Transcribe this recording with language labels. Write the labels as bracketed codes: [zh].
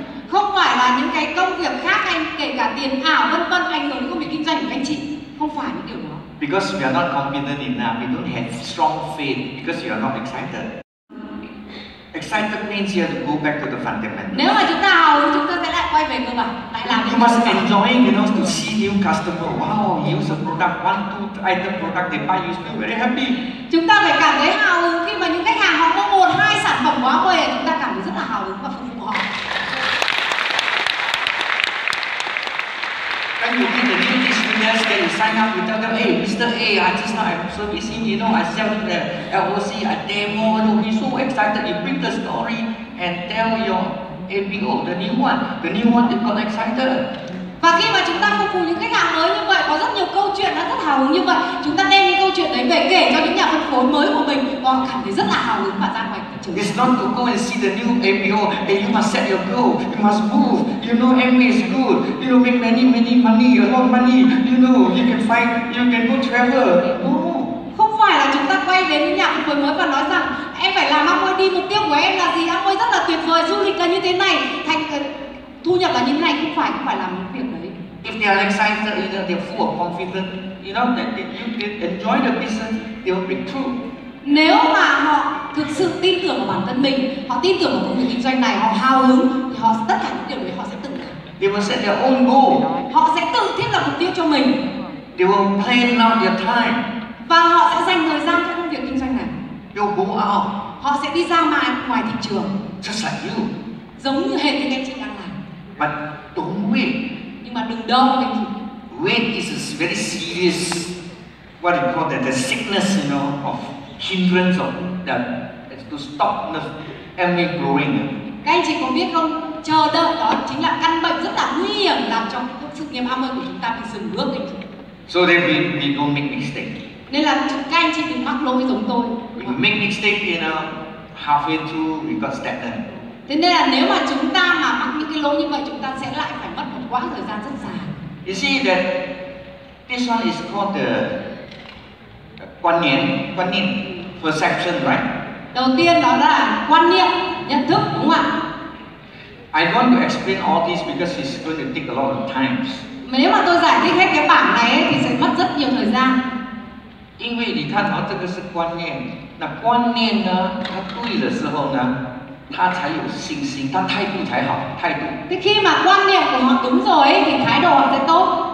[vi] Không phải là những cái công việc khác anh kể cả tiền ảo vân vân ảnh hưởng đến công việc kinh doanh của anh chị. Không phải những điều đó. [en] Because we are not confident enough, we don't have strong faith because you are not excited. Excited means you have to go back to the fundamentals. [vi] Nếu mà chúng ta hào hứng, chúng ta sẽ lại quay về cơ bản, lại làm. [en] You must enjoy, to see new customer. Wow, use a product, 1-2 item product they buy, you feel very happy. [vi] Chúng ta phải cảm thấy hào hứng khi mà những khách hàng họ mua 1-2 sản phẩm quá quê, chúng ta cảm thấy rất là hào hứng và phục vụ họ. [en] When you meet the new business, then you sign up, you tell them, hey, Mr. A, I just now I'm servicing, I sell you the LOC, a demo, and you'll be so excited. You bring the story and tell your ABO, the new one, they got excited. [vi] Và khi mà chúng ta phục vụ những khách hàng mới như vậy, có rất nhiều câu chuyện đã rất hào hứng như vậy. Chúng ta đem những câu chuyện đấy về kể cho những nhà phân phối mới của mình, họ cảm thấy rất là hào hứng và ra ngoài thị trường. [en] It's not to go and see the new APO, hey, you must set your goal, you must move, MBA is good, make many money, a lot of money, you can go travel. [vi] Không phải là chúng ta quay đến những nhà phân phối mới và nói rằng em phải làm Amway đi, mục tiêu của em là gì, Amway rất là tuyệt vời, du lịch là như thế này, thu nhập là như thế này, không phải làm những việc đấy. [en] If they are excited, they're full of confidence, that you enjoy the business, they'll break through. [vi] Nếu mà họ thực sự tin tưởng vào bản thân mình, họ tin tưởng vào công việc kinh doanh này, họ hào hứng, thì họ tất cả những điều đấy họ sẽ tự làm. [en] They will set their own goal. [vi] Họ sẽ tự thiết lập mục tiêu cho mình. [en] They will plan out their time. [vi] Và họ sẽ dành thời gian cho công việc kinh doanh này. [en] They'll go out. [vi] Họ sẽ đi ra ngoài thị trường. [en] Just like you. [vi] Giống như hệt như anh chị đang làm. [en] But don't wait. [vi] Nhưng mà đừng đợi anh chị. [en] Wait is a very serious, what you call that, the sickness, of hindrance of that to stop the MA growing. [vi] Các anh chị có biết không? Chờ đợi đó chính là căn bệnh rất là nguy hiểm làm cho sự nghiệp AMA của chúng ta bị dừng bước anh chị. [en] So then we don't make mistake. [vi] Nên là các anh chị đừng mắc lỗi giống tôi. [en] We make mistake, halfway through we got stagnant. [vi] Thế nên là nếu mà chúng ta mà mắc những cái lỗi như vậy, chúng ta sẽ lại phải mất một quãng thời gian rất dài. [en] You see that this one is called the quan niệm, perception, right? [vi] Đầu tiên đó là quan niệm, nhận thức, đúng không ạ? [en] I want to explain all this because it's going to take a lot of times. [vi] Mà nếu mà tôi giải thích hết cái bảng này ấy, thì sẽ mất rất nhiều thời gian. Vì vậy thì ta nói tức là quan niệm. Nào quan niệm đó, ta đúng là sau đó, ta sẽ có tin tưởng, ta thái độ sẽ học, thái độ. Thế khi mà quan niệm của họ đúng rồi ấy, thì thái độ họ sẽ tốt.